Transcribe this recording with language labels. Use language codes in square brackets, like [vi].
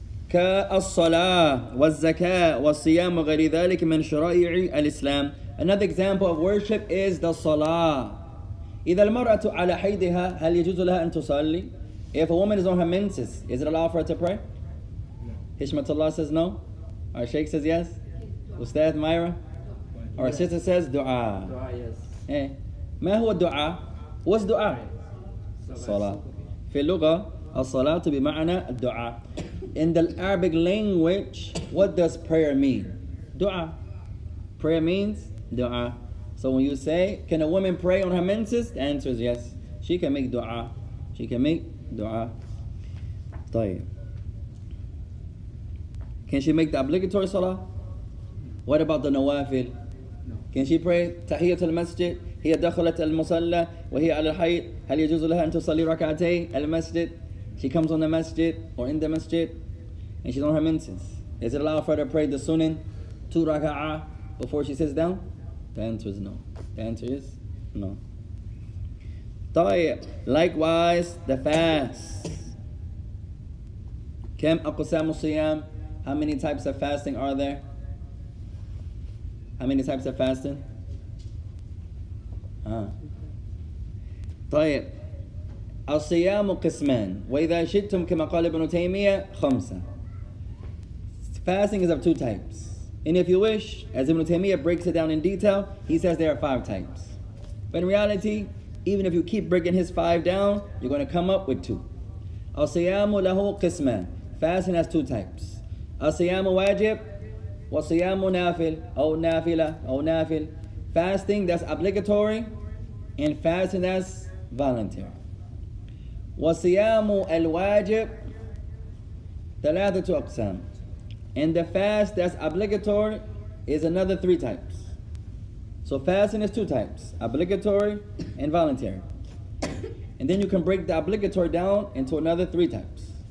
[ar] كالصلاة والزكاة والصيام وغير ذلك من شرائع الإسلام. [en] Another example of worship is the salah. [ar] إذا المرأة على حيضها هل يجوز لها أن تصلي؟ [en] If a woman is on her menses, is it allowed for her to pray? No. Hishmatullah says no. Our sheikh says yes. Ustadh Myra. Our sister says dua. Dua, yes. Eh. [ar] ما هو الدعاء؟ [en] What's dua? Salah. [ar] في اللغة الصلاة بمعنى الدعاء. [en] In the Arabic language, what does prayer mean? Dua. Prayer means dua. So when you say, can a woman pray on her menses? The answer is yes. She can make dua. She can make dua. طيب. Can she make the obligatory salah? What about the nawafil? No. Can she pray tahiyyat al-masjid? [ar] هي دخلت المصلى وهي على الحيط هل يجوز لها أن تصلي ركعتي المسجد؟ [en] She comes on the masjid or in the masjid and she's on her menses. Is it allowed for her to pray the sunan two raka'a before she sits down? The answer is no. The answer is no. طيب. Likewise, the fast. [ar] كم أقسام الصيام؟ [en] How many types of fasting are there? How many types of fasting? [ar] طيب الصيام قسمان وإذا شئتم كما قال ابن تيمية خمسة. [en] Fasting is of two types. And if you wish, as ابن تيمية breaks it down in detail, he says there are five types. But in reality, even if you keep breaking his five down, you're going to come up with two. [ar] الصيام له قسمان. [en] Fasting has two types. [ar] الصيام واجب وصيام نافل أو نافلة أو نافل. [en] Fasting that's obligatory and fasting that's voluntary. [ar] وصيام الواجب ثلاثة أقسام. [en] And the fast that's obligatory is another three types. So fasting is two types, obligatory and voluntary. And then you can break the obligatory down into another three types.